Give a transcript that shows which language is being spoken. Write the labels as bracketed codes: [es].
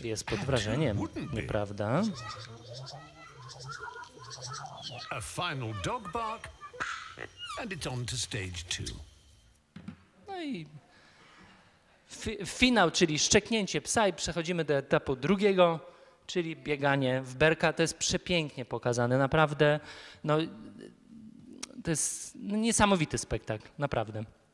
[pl] Jest pod wrażeniem, nieprawda? [en] A final dog bark and it's on to stage two. [pl] No i finał, czyli szczeknięcie psa i przechodzimy do etapu drugiego, czyli bieganie w berka. To jest przepięknie pokazane, naprawdę. No, to jest niesamowity spektakl, naprawdę.